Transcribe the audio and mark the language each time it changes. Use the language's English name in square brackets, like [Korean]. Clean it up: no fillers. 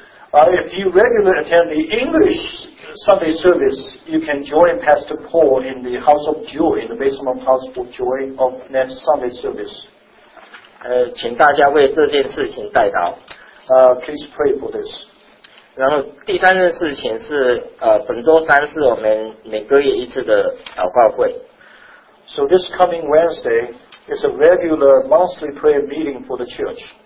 [English] If you regularly attend the English Sunday service, you can join Pastor Paul in the House of Joy, in the basement House of Joy of next Sunday service. [Chinese] 请大家为这件事情代祷。 [English] Please pray for this. [Chinese] 然后第三件事情是本周三是我们每个月一次的祷告会。 [English] So this coming Wednesday is a regular monthly prayer meeting for the church.